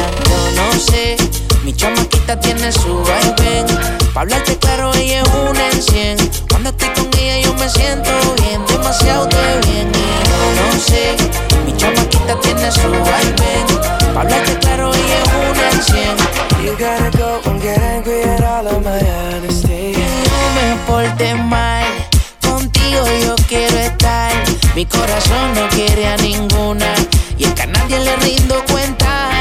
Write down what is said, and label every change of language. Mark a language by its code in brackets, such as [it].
[es] Yo no sé, mi chamaquita tiene su vibe, pa' hablarte claro ella es una en cien. Cuando estoy con ella yo me siento bien, demasiado de bien. Y yo no sé, mi chamaquita tiene su vibe, pa' hablarte claro ella es una en cien. [en] You gotta go and get angry at all of my honesty. [es] No me porté mal, contigo yo quiero estar. Mi corazón no quiere a ninguna, y es que a nadie le rindo cuenta.